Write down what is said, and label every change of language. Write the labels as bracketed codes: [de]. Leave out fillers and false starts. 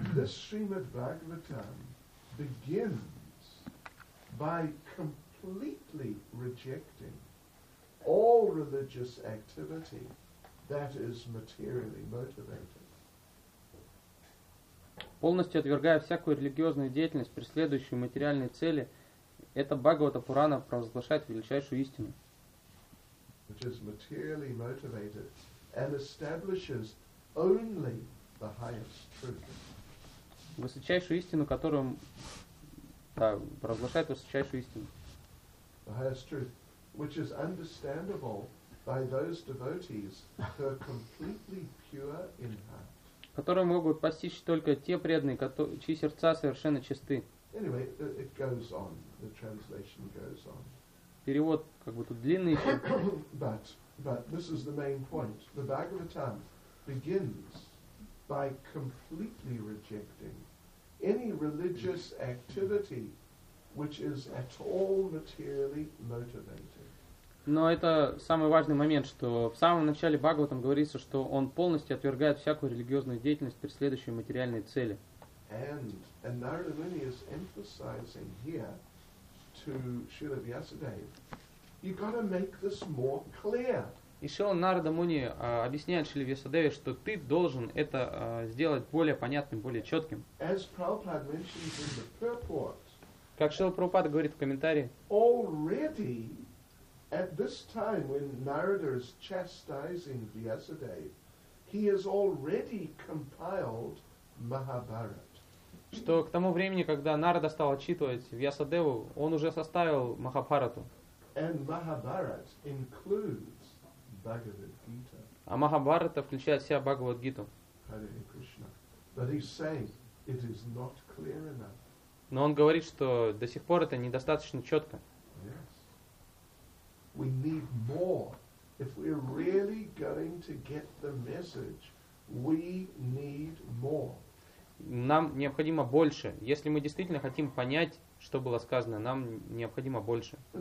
[en] The Srimad Bhagavatam begins by completely rejecting all religious activity that is materially motivated. [ru] Полностью отвергая всякую религиозную деятельность, преследующую материальные цели, эта Бхагавата Пурана провозглашает величайшую истину. [en] Which is materially motivated and establishes only the highest truth. [ru] Высочайшую истину, которую провозглашает высочайшую истину. [en] The highest truth, which is understandable by those devotees who are completely pure in heart. [ru] Которые могут постичь только те преданные, чьи сердца совершенно чисты. [en] Anyway, it goes on. The translation goes on. [ru] Перевод как бы тут длинный. [en] But this is the main point. The Bhagavatam begins by completely rejecting any religious activity which is at all materially motivated. [ru] Но это самый важный момент, что в самом начале Бхагаватам говорится, что он полностью отвергает всякую религиозную деятельность, преследующую материальные цели. [en] And Narada Muni is emphasizing here to Srila Vyasadeva, you got to make this more clear. [ru] И Шрила Нарада Муни объясняет Шриле Вьясадеве, что ты должен это сделать более понятным, более четким. [en] As Prabhupada mentions in the purport, [ru] как Шрила Прабхупада говорит в комментарии, [en] already at this time when Narada is chastising Vyasadeva, he has already compiled Mahabharata. [ru] Что к тому времени, когда Нарада стал отчитывать Вьясадеву, он уже составил Махабхарату. [en] And Mahabharata includes Bhagavad Gita. [ru] А Махабхарата включает в себя Бхагавад Гиту. [en] Hare Krishna. But he's saying it is not clear enough. [ru] Но он говорит, что до сих пор это недостаточно четко. [en] Yes. We need more. If we're really going to get the message, we need more. [ru] Нам необходимо больше. Если мы действительно хотим понять, что было сказано, нам необходимо больше.